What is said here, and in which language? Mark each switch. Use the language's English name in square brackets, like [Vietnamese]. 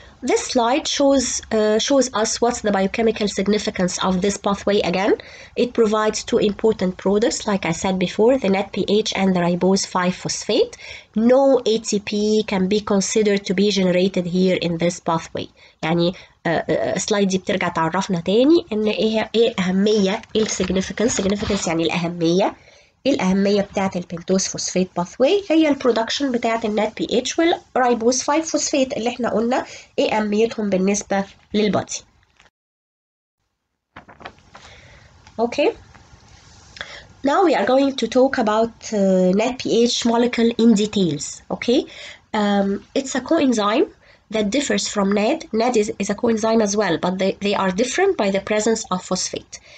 [English] This slide shows us what's the biochemical significance of this pathway again. It provides two important products, like I said before, the net pH and the ribose 5-phosphate. No ATP can be considered to be generated here in this pathway. [Arabic] يعني السلايد دي بترجع تعرفنا تاني ان ايه الاهمية، ايه السيجنيفيكانس، سيجنيفيكانس يعني الاهمية. الأهمية بتاعة البنتوز فوسفيت باثوي هي البرودكشن بتاعة النت بي اتش والرايبوز 5 فوسفيت اللي احنا قلنا ايه أهميتهم بالنسبة للبادي. اوكي. [English] Now we are going to talk about net pH molecule in details. Okay. It's a coenzyme that differs from NAD. NAD is a coenzyme as well, but they are different by the presence of phosphate.